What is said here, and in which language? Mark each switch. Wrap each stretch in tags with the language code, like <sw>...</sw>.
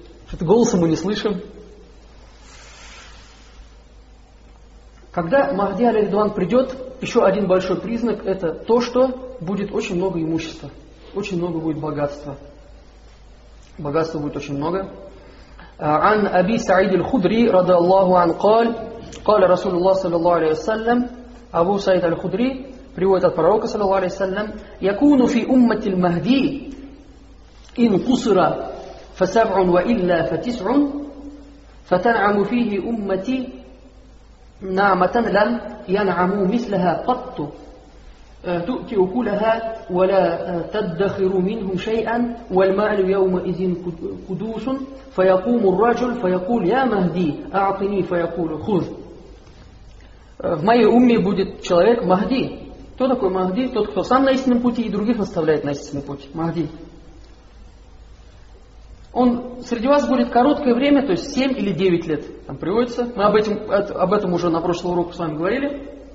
<ru>Что-то голоса мы не слышим. Когда Махди Алиридван придет, еще один большой признак, это то, что будет очень много имущества. Очень много будет богатства. Богатства будет очень много.</ru> <ar>عن أبي سعيد الخدري رضي الله عنه قال قال رسول الله صلى الله عليه وسلم أبو سعيد الخدري</ar> <ru>приводит от пророка</ru> <ar>صلى الله عليه وسلم يكون في أمة المهدي إن قصر فسبع وإلا فتسع فتنعم فيه أمتي نعمة لم ينعموا مثلها قط تؤتي أكلها ولا تدخر منهم شيئا والمال يومئذ قدوس فيقوم الرجل فيقول يا مهدي أعطني فيقول خذ.</ar> <ru>В моей умме будет человек Махди. Кто такой Махди? Тот, кто сам на истинном пути и других наставляет на истинный путь. Махди. Он среди вас будет короткое время, то есть 7 или 9 лет. Там приводится. Мы об этом уже на прошлом уроке с вами говорили.</ru>